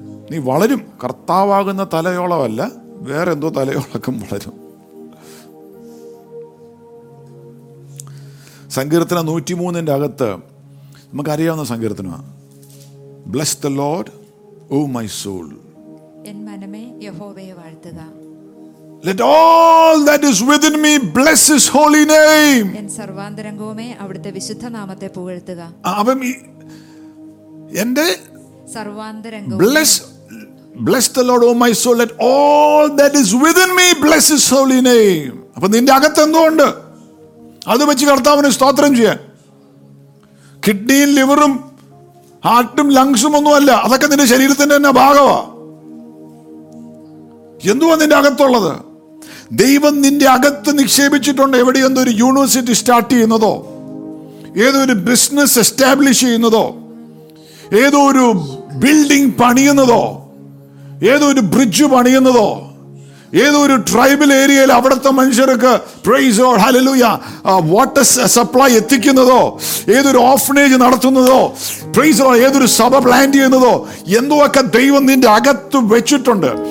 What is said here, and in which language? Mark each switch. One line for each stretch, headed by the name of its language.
Malayalam: നീ വളരും, കർത്താവാകുന്ന തലയോളമല്ല, വേറെ എന്തോ തലയോളക്കും വളരും. സങ്കീർത്തന 103 അകത്ത് നമുക്കറിയാവുന്ന സങ്കീർത്തനമാണ്,
English: bless the Lord O my soul,
Malayalam: N മനമേ യഹോവയെ വാഴ്ത്തുക.
English: Let all that is within me bless his holy name.
Malayalam: N സർവാന്തരംഗവുമേ അവിടുത്തെ വിശുദ്ധ നാമത്തെ പുകഴ്ത്തുക. അവം എൻ്റെ സർവാന്തരംഗവും
English: bless the Lord, oh my soul. Let all that is within me bless his holy name.
Malayalam: അപ്പോൾ നിന്റെ അകത്ത് എന്തുണ്ട്? അത് വെച്ച് കർത്താവിനെ സ്തോത്രം ചെയ്യാൻ. കിഡ്നിയും ലിവറും ഹാർട്ടും ലങ്സും ഒന്നുമല്ല, അതൊക്കെ നിന്റെ ശരീരത്തിന്റെ തന്നെ ഭാഗമാ. എന്തുവാ നിന്റെ അകത്തുള്ളത്? ദൈവം നിന്റെ അകത്ത് നിക്ഷേപിച്ചിട്ടുണ്ട്. എവിടെ എന്തൊരു യൂണിവേഴ്സിറ്റി സ്റ്റാർട്ട് ചെയ്യുന്നതോ, ഏതൊരു ബിസിനസ് എസ്റ്റാബ്ലിഷ് ചെയ്യുന്നതോ, ഏതോ ഒരു ബിൽഡിംഗ് പണിയുന്നതോ, ഏതോ ഒരു ബ്രിഡ്ജ് പണിയുന്നതോ, ഏതോ ഒരു ട്രൈബൽ ഏരിയയിൽ അവിടുത്തെ മനുഷ്യർക്ക് praise God hallelujah water supply എത്തിക്കുന്നതോ, ഏതൊരു ഓഫനേജ് നടത്തുന്നതോ, പ്രൈസ് ഗോഡ് ഏതൊരു സഭ പ്ലാന്റ് ചെയ്യുന്നതോ, എന്തോ ഒക്കെ ദൈവം നിന്റെ അകത്ത് വെച്ചിട്ടുണ്ട്.